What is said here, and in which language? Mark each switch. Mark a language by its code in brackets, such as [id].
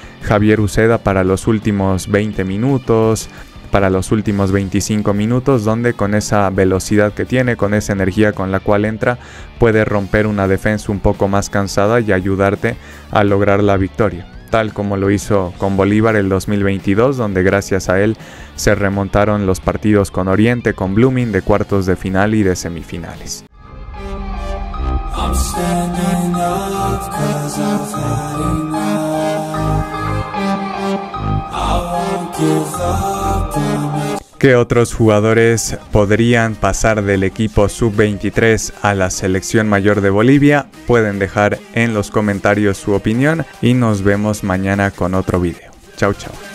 [es] Javier Uceda para los últimos 20 minutos, para los últimos 25 minutos, donde con esa velocidad que tiene, con esa energía con la cual entra, puede romper una defensa un poco más cansada y ayudarte a lograr la victoria, tal como lo hizo con Bolívar el 2022, donde gracias a él se remontaron los partidos con Oriente, con Blooming, de cuartos de final y de semifinales. [en] I'm standing up 'cause I've had enough. I won't give up on me. [es] ¿Qué otros jugadores podrían pasar del equipo sub-23 a la selección mayor de Bolivia? Pueden dejar en los comentarios su opinión y nos vemos mañana con otro video. Chau chau.